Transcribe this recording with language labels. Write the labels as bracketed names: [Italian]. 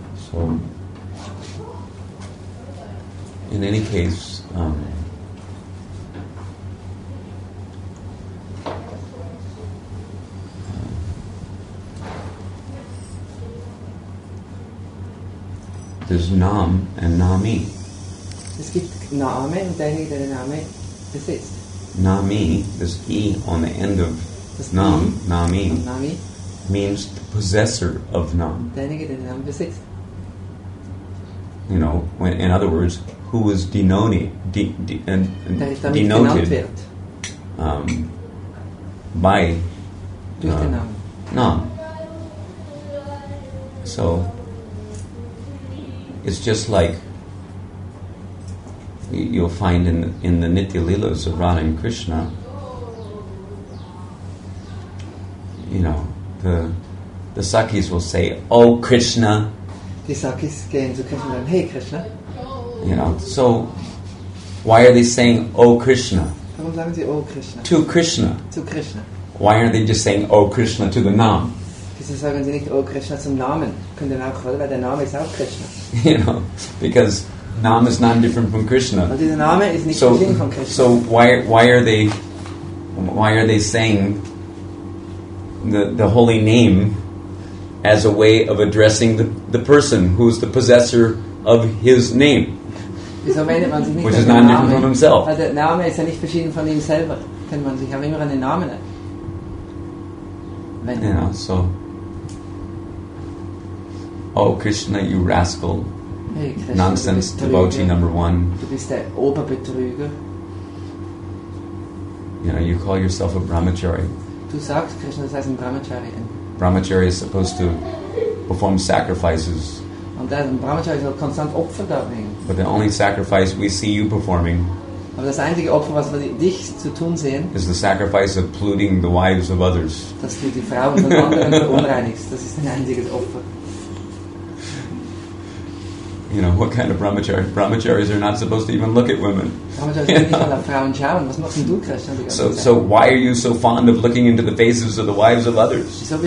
[English] So, in any case, there's Nam and Nami. [German] Es gibt Name und derjenige, der den Name besitzt. [English] Nami, this E on the end of [German] das [English] Nam, e Nami, Nami, means the possessor of Nam. [German] Derjenige, der den Namen besitzt. [English] You know, when, in other words, who was denoted [German] wird. [English] By Nam. So, it's just like you'll find in the Nitya Leelas of Radha and Krishna, you know, the Sakis will say, "Oh Krishna." [German] Die Sakis gehen zu Krishna und sagen, "Hey Krishna." [English] You know, so why are they saying, "Oh Krishna"? [German] Warum sagen sie, "Oh Krishna"? [English] To Krishna. [German] Zu Krishna. [English] Why aren't they just saying, "Oh Krishna" to the Nam? [German] Wieso sagen sie nicht, "Oh Krishna" zum Namen? Können auch, oder? Weil der Name ist auch Krishna. [English] You know, because Nam is not different from Krishna. [German] Und dieser Name ist nicht verschieden von Krishna. [English] So why are they saying the holy name as a way of addressing the person who is the possessor of his name? [German] Wieso meint man sich nicht? [English] Which is not different from himself. [German] Weil der Name ist ja nicht verschieden von ihm selber. Kennt man sich aber immer an den Namen. Wenn. [English] Yeah, so. Oh Krishna, you rascal. Hey, Krishna, nonsense devotee number one. [German] Du bist der Oberbetrüger. [English] You know, you call yourself a brahmachari. [German] Du sagst, Krishna, das heißt ein Brahmachari. [English] Brahmachari is supposed to perform sacrifices. [German] Und ein Brahmachari soll konstant Opfer darbringen. [English] But the only sacrifice we see you performing. [German] Aber das einzige Opfer, was wir dich zu tun sehen, [English] is the sacrifice of polluting the wives of others. [German] Dass du die Frauen von anderen verunreinigst. Das ist dein einziges Opfer. [English] You know, what kind of brahmacharis? Brahmacharis are not supposed to even look at women. So why are you so fond of looking into the faces of the wives of others?